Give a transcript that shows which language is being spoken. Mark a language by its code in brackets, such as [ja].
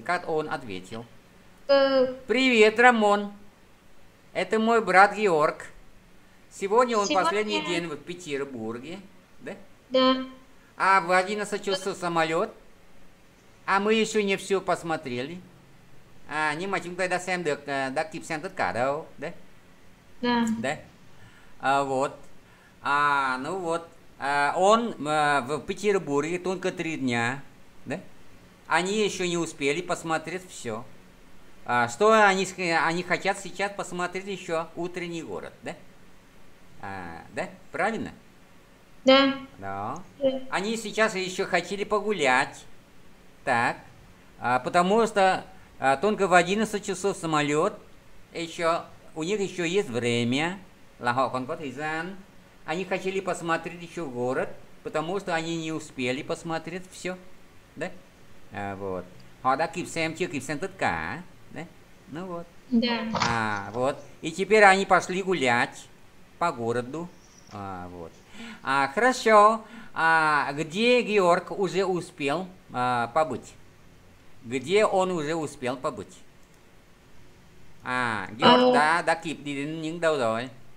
[ru] Как он ответил? Привет, Рамон. Это мой брат Георг. Сегодня он Сегодня последний день в Петербурге. Да? да. А в 11 часов самолет. А мы еще не все посмотрели. [vi] А, nhưng mà chúng tôi đã xem được, đã kịp xem tất cả đâu. Đấy. [ru] Да. Đấy. Вот. А, ну вот. Он в Петербурге только 3 дня. Да? Они еще не успели посмотреть все. Что они хотят сейчас посмотреть еще утренний город, да? Да? Правильно? Да. Да. Они сейчас еще хотели погулять. Так. Потому что только в 11 часов самолет. Еще, у них еще есть время. [vi] Là họ còn có thời gian. [ru] Они хотели посмотреть еще город, потому что они не успели посмотреть все. Да? Вот. [vi] Họ đã kịp xem, chưa kịp xem tất cả. [ru] Đấy. Ну вот. Да. А, вот. И теперь они пошли гулять по городу. Вот. А, хорошо. А где Георг уже успел побыть? Где он уже успел побыть? [vi] А, Георг, да, kịp đi đến những đâu rồi?